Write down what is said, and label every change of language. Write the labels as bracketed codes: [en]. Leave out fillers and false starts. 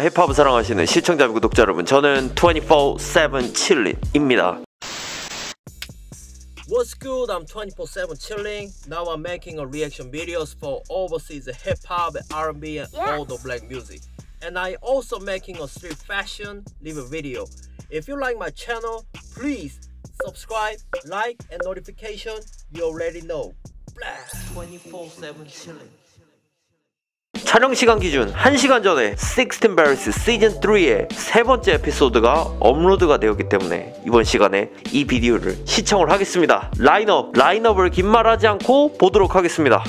[ko] 힙합을 사랑하시는 시청자 및 구독자 여러분, 저는 24/7 칠링입니다. [en] What's good? I'm 24/7 chilling. Now I'm making a reaction videos for overseas hip hop, R&B, and all the black music. And I also making a street fashion live video. If you like my channel, please subscribe, like, and notification. You already know. Blast 24/7 chilling. [ko] 촬영 시간 기준 1시간 전에 16Bars 시즌 3의 세 번째 에피소드가 업로드가 되었기 때문에 이번 시간에 이 비디오를 시청을 하겠습니다. 라인업을 긴 말하지 않고 보도록 하겠습니다.